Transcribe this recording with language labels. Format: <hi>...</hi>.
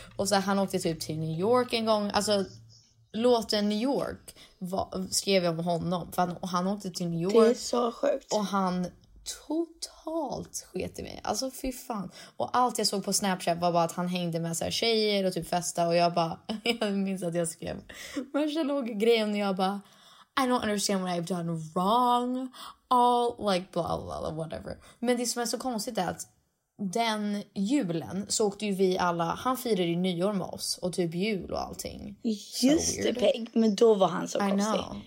<sv>Och så här, han åkte typ till New York en gång. Alltså låten New York skrev jag om honom. För han åkte till New York. Det är så sjukt. Och han totalt sket i mig. Alltså fy fan. Och allt jag såg på Snapchat var bara att han hängde med så här tjejer och typ festa. Och jag bara, jag minns att jag skrev värsta låg grejen. Och jag bara,</sv> <en>I don't understand what I've done wrong. All like blah blah blah whatever.</en> <sv>Men det som är så konstigt är att den julen så åkte ju vi alla, han firade ju nyår med oss. Och typ jul och allting. Just det, Peg. Men då var han så konstig.</sv>